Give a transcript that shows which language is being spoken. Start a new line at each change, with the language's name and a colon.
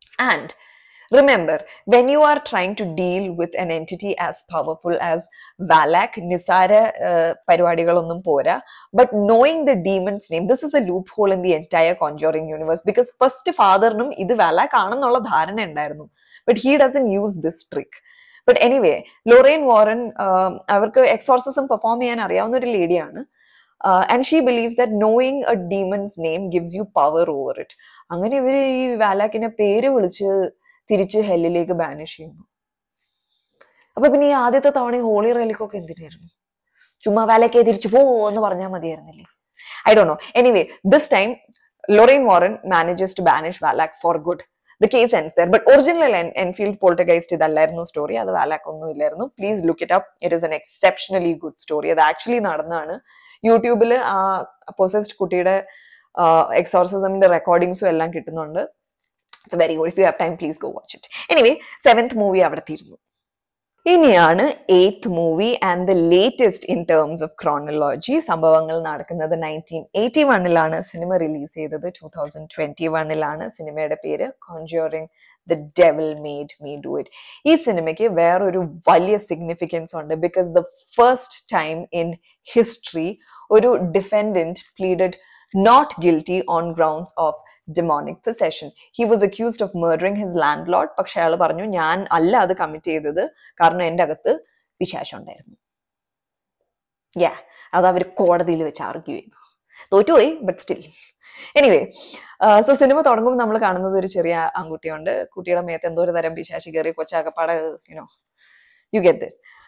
English: and remember, when you are trying to deal with an entity as powerful as Valak,
Malayalam: നിസാര പരിപാടികളൊന്നും പോരാ.
English: But knowing the demon's name, this is a loop hole in the entire Conjuring universe.
Malayalam: Because first ഫാദറിനും ഇത് വാലാക് ആണെന്നുള്ള ധാരണ ഉണ്ടായിരുന്നു.
English: But he doesn't use this trick.
Malayalam: But anyway, Lorraine Warren അവർക്ക് exorcism perform ചെയ്യാൻ അറിയാവുന്ന ഒരു ലേഡിയാണ്.
English: And she believes that knowing a demon's name gives you power over it.
Malayalam: അങ്ങനെ ഇവര് ഈ വാലാക്കിനെ പേര് വിളിച്ച് തിരിച്ച് ഹെല്ലിലേക്ക് ബാനിഷ് ചെയ്യുന്നു. അപ്പൊ പിന്നെ ഈ ആദ്യത്തെ തവണ ഹോളി റെലിക്കൊക്കെ എന്തിനായിരുന്നു? ചുമ്മാ വാലാക്കെ തിരിച്ചു പോ എന്ന് പറഞ്ഞാൽ മതിയായിരുന്നില്ലേ?
English: I don't know. Anyway, this time Lorraine Warren manages to banish Valak for good. The case ends there. But originally, Enfield Poltergeist
Malayalam: ഇതല്ലായിരുന്നു story, അത് വാലാക്ക് ഒന്നും ഇല്ലായിരുന്നു.
English: Please look it up, it is an exceptionally good story.
Malayalam: അത് actually നടന്നതാണ്. യൂട്യൂബിൽ ആ possessed കുട്ടിയുടെ എക്സോർസിസമിന്റെ റെക്കോർഡിങ്സും എല്ലാം കിട്ടുന്നുണ്ട്.
English: It's very good, if you have time please go watch it. Anyway,
Malayalam: seventh movie അവിടെ തീരുന്നു.
English: ഇനിയാണ് eighth movie and the latest in terms of chronology.
Malayalam: സംഭവങ്ങൾ നടക്കുന്നത് 1981 സിനിമ റിലീസ് ചെയ്തത് 2021 സിനിമയുടെ പേര് conjuring the devil made me do it. ഈ സിനിമയ്ക്ക് വേറൊരു വലിയ സിഗ്നിഫിക്കൻസ് ഉണ്ട്.
English: Because the first time in history ഒരു defendant pleaded not guilty on grounds of demonic possession. He was accused of murdering his landlord.
Malayalam: പക്ഷേ അയാൾ പറഞ്ഞു ഞാൻ അല്ല അത് കമ്മിറ്റ് ചെയ്തത്, കാരണം എൻ്റെ അകത്ത് പിശാശം ഉണ്ടായിരുന്നു. യാ, അത് അവർ കോടതിയിൽ വെച്ച് ആർഗ്യൂ ചെയ്തു. തോറ്റുപോയി,
English: But still.
Malayalam: Anyway, so cinema തുടങ്ങുമ്പോൾ നമ്മൾ കാണുന്നത് ഒരു ചെറിയ ആൺകുട്ടിയുണ്ട്. കുട്ടിയുടെ മേത്ത് എന്തോ ഒരു തരം പിശാശി കയറി, കൊച്ചാകപ്പാട്,
English: You know, you get it.